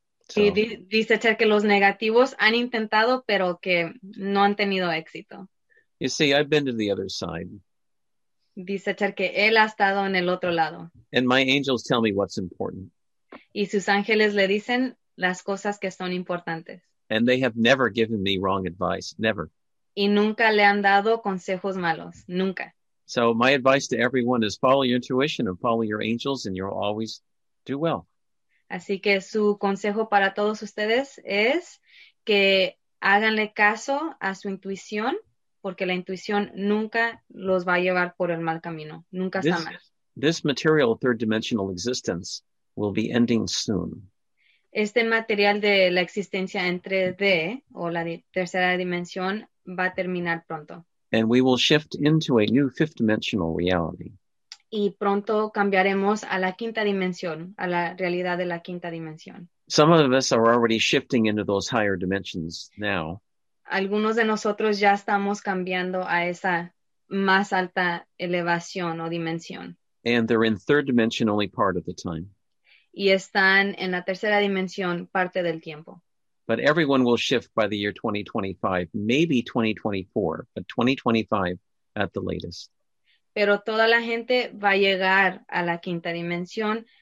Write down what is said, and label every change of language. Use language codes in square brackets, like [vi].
[es] So. Y dice Ted que los negativos han intentado, pero que no han tenido éxito. [en] You see, I've been to the other side. [es] Dice Ter que él ha estado en el otro lado. [en] And my angels tell me what's important. [es] Y sus ángeles le dicen las cosas que son importantes. [en] And they have never given me wrong advice, never. [es] Y nunca le han dado consejos malos, nunca. [en] So my advice to everyone is follow your intuition and follow your angels and you'll always do well. [es] Así que su consejo para todos ustedes es que háganle caso a su intuición. Porque la intuición nunca los va a llevar por el mal camino. Nunca está mal. [en] This material third dimensional existence will be ending soon. [es] Este material de la existencia en 3D o la tercera dimensión va a terminar pronto. [en] And we will shift into a new fifth dimensional reality. [es] Y pronto cambiaremos a la quinta dimensión, a la realidad de la quinta dimensión. [en] Some of us are already shifting into those higher dimensions now. [es] Algunos de nosotros ya estamos cambiando a esa más alta elevación o dimensión. [en] And they're in third dimension only part of the time. [es] Y están en la tercera dimensión parte del tiempo. [en] But everyone will shift by the year 2025, maybe 2024, but 2025 at the latest. [es] Pero toda la gente va a llegar a la quinta dimensión.